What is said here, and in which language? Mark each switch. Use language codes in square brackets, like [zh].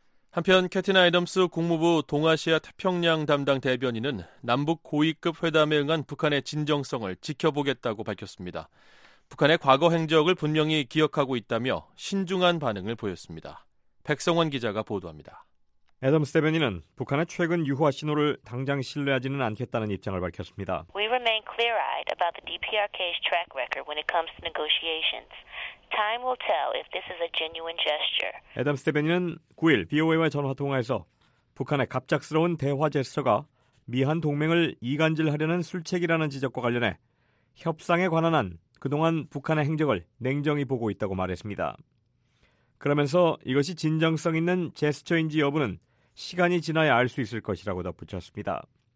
[ko] 한편 캐티나 애덤스 국무부 동아시아 태평양 담당 대변인은 남북 고위급 회담에 응한 북한의 진정성을 지켜보겠다고 밝혔습니다. 북한의 과거 행적을 분명히 기억하고 있다며 신중한 반응을 보였습니다. 백성원 기자가 보도합니다. 애덤스 대변인은 북한의 최근 유화 신호를 당장 신뢰하지는 않겠다는 입장을 밝혔습니다. [en] We remain clear-eyed about the DPRK's track record when it comes to negotiations. Time will tell if this is a genuine gesture. [ko] 애덤스 대변인은 9일 VOA와 전화 통화에서 북한의 갑작스러운 대화 제스처가 미한 동맹을 이간질하려는 술책이라는 지적과 관련해 협상에 관한 한 그동안 북한의 행적을 냉정히 보고 있다고 말했습니다. 그러면서 이것이 진정성 있는 제스처인지 여부는 시간이 지나야 알 수 있을 것이라고 덧붙였습니다.